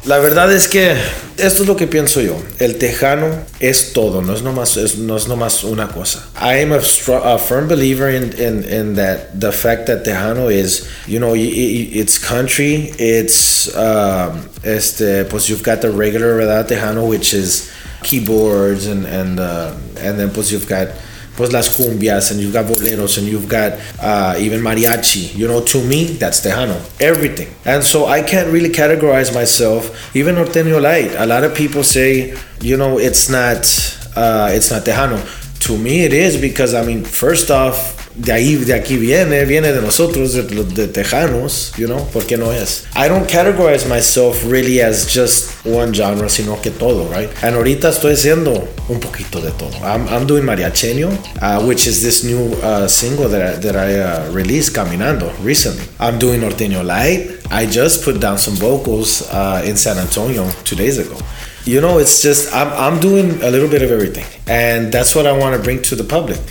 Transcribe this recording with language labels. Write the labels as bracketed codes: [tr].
[es] La verdad es que esto es lo que pienso yo. El tejano es todo, no es nomás una cosa. [en] I am a firm believer in that the fact that tejano is, you know, it's country, it's pues you've got the regular verdad tejano, which is keyboards and then pues you've got [es] pues las cumbias, [en] and you've got boleros, and you've got even mariachi. You know, to me, that's tejano. Everything. And so I can't really categorize myself. Even Norteño Light, a lot of people say, you know, it's not tejano. To me, it is, because, I mean, first off, [es] de aquí viene de nosotros, de tejanos, [en] you know, [es] ¿por qué no es? [en] I don't categorize myself really as just one genre, [es] sino que todo, [en] right? [es] And ahorita estoy haciendo un poquito de todo. [en] I'm doing Mariacheño, which is this new single that I released, Caminando, recently. I'm doing Norteño Light. I just put down some vocals in San Antonio 2 days ago. You know, it's just, I'm doing a little bit of everything. And that's what I want to bring to the public.